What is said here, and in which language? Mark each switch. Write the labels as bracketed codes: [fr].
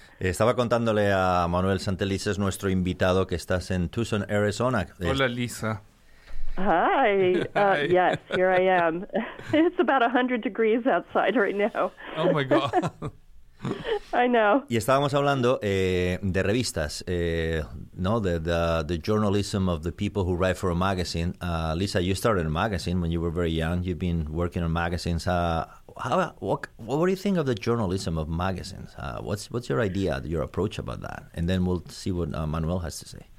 [es] Estaba contándole a Manuel Santelices, nuestro invitado, que estás en Tucson, Arizona. Hola, Lisa. [en] Hi. Yes, here I am. It's about 100 degrees outside right now. Oh, my God. I know. [es] Y estábamos hablando de revistas, ¿no? [en] The journalism of the people who write for a magazine. Lisa, you started a magazine when you were very young. You've been working on magazines. What do you think of the journalism of magazines? What's your idea, your approach about that? And then we'll see what Manuel has to say.